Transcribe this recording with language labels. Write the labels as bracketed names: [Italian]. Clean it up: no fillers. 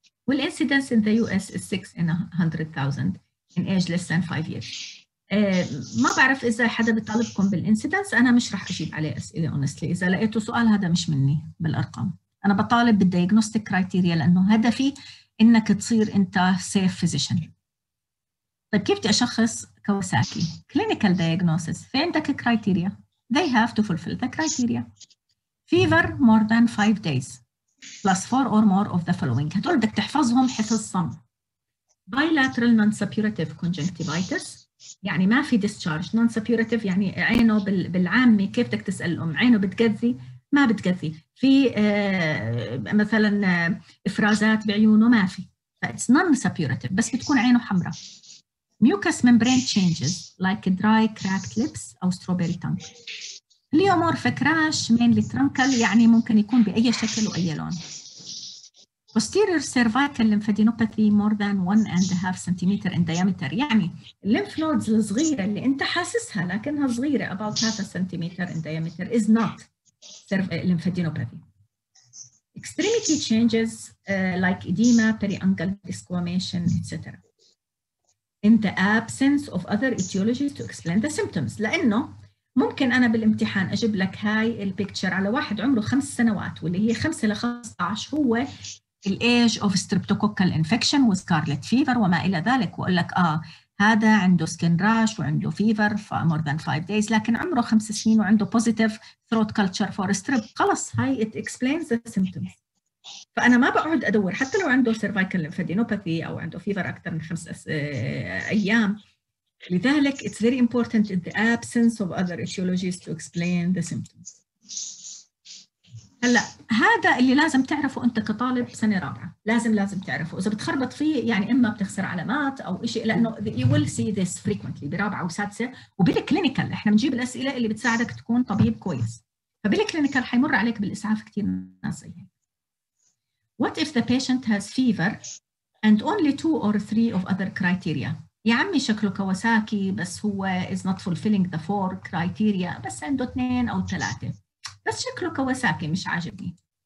[English] والincidence in the US is 6 in 100,000 in age less than 5 years. [Arabic] ما بعرف اذا حدا بيطالبكم بالincidence، انا مش رح اجيب عليه اسئلة honestly. اذا لقيتوا سؤال هذا مش مني بالارقام. انا بطالب بالdiagnostic criteria لانه هدفي انك تصير انت safe physician. طيب كيف بدي اشخص كواساكي؟ كلينيكال دايجنوسيس، في عندك كرايتيريا، [English] they have to fulfill the criteria. Fever more than 5 days plus 4 or more of the following. [Arabic] هدول بدك تحفظهم حفظ صم. [English] Bilateral non-suppurative conjunctivitis، [Arabic] يعني ما في discharge. Non-suppurative يعني عينه بالعامي، كيف بدك تسأل الأم؟ عينه بتغذي؟ ما بتغذي. في مثلا إفرازات بعيونه؟ ما في. [English] It's non-suppurative، [Arabic] بس بتكون عينه حمراء. [English] Mucous membrane changes like dry cracked lips أو strawberry tongue. Pleomorphic rash mainly truncal، [Arabic] يعني ممكن يكون بأي شكل وأي لون. [English] Posterior cervical lymphadenopathy more than 1.5 cm in diameter، يعني lymph nodes [Arabic] الصغيرة اللي أنت حاسسها لكنها صغيرة [English] about 0.5 cm in diameter is not lymphadenopathy. Extremity changes like edema, periungual desquamation, etc. In the absence of other etiologies to explain the symptoms. [Arabic] لأنه ممكن أنا بالامتحان أجيب لك هاي البيكتشر على واحد عمره 5 سنوات، واللي هي 5 إلى 15 هو الايج of streptococcal infection وscarlet fever وما إلى ذلك، وأقول لك هذا عنده skin rash وعنده [English] fever for more than 5 days، [Arabic] لكن عمره 5 سنين وعنده [English] positive throat culture for strep. [Arabic] خلص هاي [English] it explains the symptoms. [Arabic] فأنا ما بقعد أدور، حتى لو عنده cervical lymphadenopathy أو عنده fever أكثر من 5 أيام. [English] لذلك it's very important in the absence of other etiologies to explain the symptoms. [Arabic] هلأ هذا اللي لازم تعرفه أنت كطالب سنة رابعة، لازم تعرفه. إذا بتخربط فيه يعني إما بتخسر علامات أو إشي، لأنه [English] you will see this frequently [Arabic] برابعة وسادسة وبالكلينيكال. إحنا بنجيب الأسئلة اللي بتساعدك تكون طبيب كويس، فبالكلينيكال حيمر عليك بالإسعاف كتير ناس زيها. [English] What if the patient has fever and only 2 or 3 of other criteria? [Arabic] يا عمي شكله كواساكي بس هو [English] is not fulfilling the 4 criteria، [Arabic] بس عنده 2 أو 3 بس شكله كواساكي مش عاجبني.